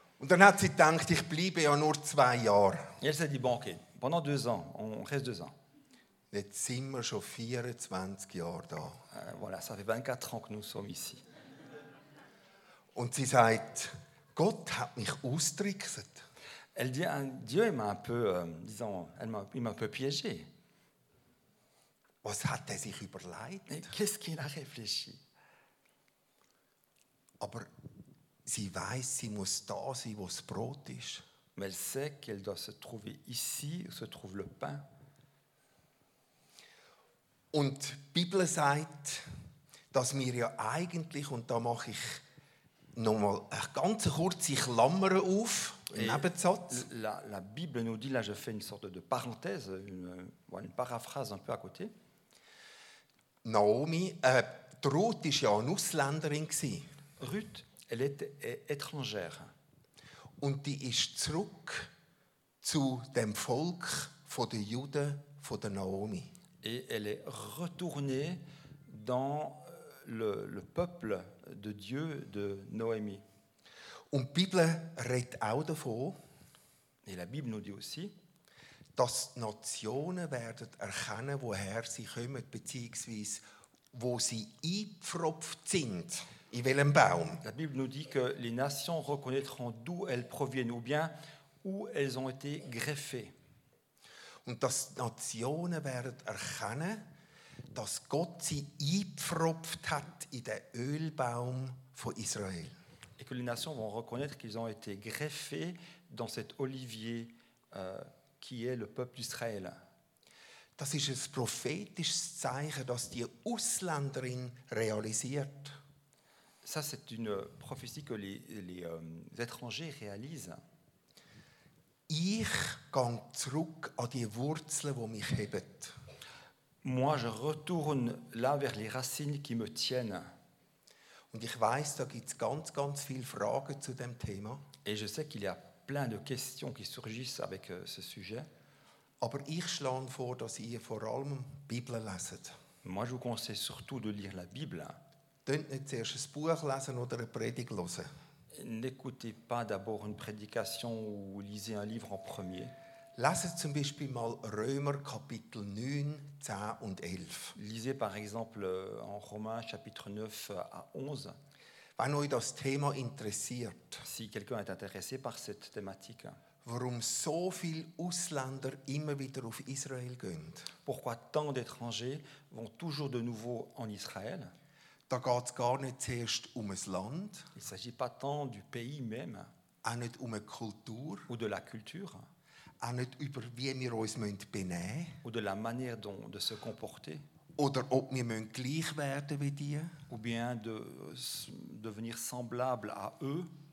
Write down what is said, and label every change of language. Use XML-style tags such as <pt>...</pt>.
<de>Und dann hat sie gedacht, ich bleibe ja nur 2 Jahre.</de> <fr>Et elle s'est dit, bon, okay, pendant 2 ans, on reste 2 ans.</fr> <de>Jetzt sind wir schon 24 Jahre da.</de> <fr>Voilà, ça fait 24 ans que nous sommes ici.</fr> <de>Und sie sagt, Gott hat mich austrickset.</de> <fr>Elle dit, Dieu m'a un peu, disons, il m'a un peu piégé.</fr> <de>Was hat er sich überlegt?</de> <fr>Et qu'est-ce qu'il a réfléchi?</fr> <de>Aber sie weiß, sie muss da sein, wo das Brot ist.</de> <fr>Mais elle sait qu'elle doit se trouver ici, où se trouve le pain.</fr> <de>Und die Bibel sagt, dass wir ja eigentlich, und da mache ich nochmal eine ganz kurze Klammer auf, einen Nebensatz.</de> <fr>La Bible nous dit, là je fais une sorte de parenthèse, une paraphrase un peu à côté.</fr> <de>Naomi, Ruth ist ja eine Ausländerin gewesen.</de> <fr>Ruth, elle est étrangère.</fr> <de>Und die ist zurück zu dem Volk von den Juden, von der Naomi.</de> <fr>Et elle est retournée dans le peuple de Dieu, de Noémi.</fr> <de>Und die Bibel redet auch davon,</de> <fr>et la Bible nous dit aussi,</fr> <de>dass Nationen werden erkennen, woher sie kommen, beziehungsweise wo sie eingepfropft sind. In welchem Baum?</de> <fr>La Bible nous dit que les nations reconnaîtront d'où elles proviennent ou bien où elles ont été greffées.</fr> <de>Und dass Nationen werden erkennen, dass Gott sie eingepfropft hat in den Ölbaum von Israel.</de> <fr>Et que les nations vont reconnaître qu'ils ont été greffés dans cet olivier qui est le peuple d'Israël.</fr> <de>Das ist ein prophetisches Zeichen, das die Ausländerin realisiert.</de> <fr>Ça, c'est une prophétie que les étrangers réalisent.</fr> <de>Ich gang zurück an die Wurzeln, wo mich hebet.</de> <fr>Moi, je retourne là vers les racines qui me tiennent.</fr> <de>Und ich weiß, da gibt's ganz, ganz viele Fragen zu dem Thema.</de> <fr>Et je sais qu'il y a plein de questions qui surgissent avec ce sujet.</fr> <de>Aber ich schlage vor, dass ihr vor allem Bibel leset.</de> <fr>Moi, je vous conseille surtout de lire la Bible.</fr> <de>Dönnt nicht zuerst ein Buch lesen oder eine Predigt hören.</de> <fr>N'écoutez pas d'abord une prédication ou lisez un livre en premier.</fr> <de>Lesen zum Beispiel mal Römer Kapitel 9, 10 und 11.</de> <fr>Lisez par exemple en Romains chapitre 9 à 11.</fr> <de>Wenn euch das Thema interessiert.</de> <fr>Si quelqu'un est intéressé par cette thématique.</fr> <de>Warum so viele Ausländer immer wieder auf Israel gehen?</de> <fr>Pourquoi tant d'étrangers vont toujours de nouveau en Israël?</fr> <de>Da geht's gar nicht zuerst ums Land.</de> <fr>Il s'agit pas tant du pays même.</fr> <de>Auch nicht um eine Kultur.</de> <fr>Ou de la culture.</fr> <de>Auch nicht über wie wir uns benehmen müssen.</de> <fr>Ou de la manière dont de se comporter.</fr> <de>Oder ob wir müssen gleich werden wie die.</de> <fr>Ou bien de devenir semblable à eux.</fr>